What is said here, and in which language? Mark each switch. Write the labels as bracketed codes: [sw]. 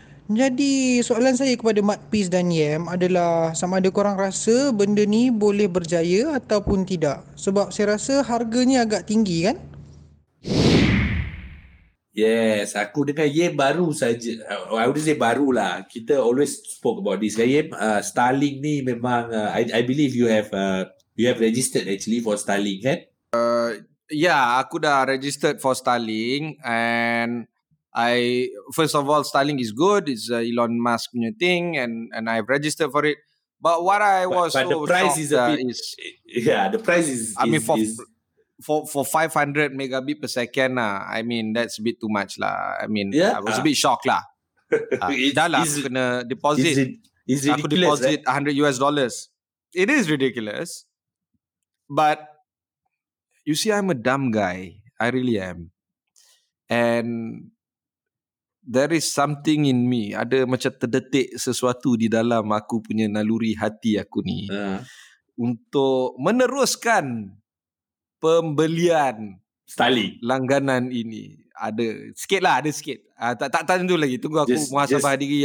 [ms] Jadi soalan saya kepada Mat Peace dan Yem adalah sama ada korang rasa benda ni boleh berjaya ataupun tidak? Sebab saya rasa harganya agak tinggi kan? Yes, aku dengan Yem baru saja. [en] I would say [ms] baru lah. [en] Kita always spoke about this. Yem, [ms] Starlink ni memang, [en] I believe you have registered actually for Starlink, kan? [ms] Aku dah [en] registered for Starlink. And first of all, Starlink is good. It's Elon Musk [ms] punya [en] thing. And I've registered for it. But what I was but so the price is, a bit, is... Yeah, the price is... For 500 megabit per second, I mean, that's a bit too much lah. I mean, yeah, I was a bit shocked lah. [ms] Dah lah, aku kena deposit. Aku deposit $100. [en] It is ridiculous. But, you see, I'm a dumb guy. I really am. And, there is something in me. [ms] Ada macam terdetik sesuatu di dalam aku punya naluri hati aku ni. Untuk meneruskan pembelian Starlink langganan ini. Ada sikit lah, ada sikit. Tak tentu lagi. Tunggu aku muhasabah diri.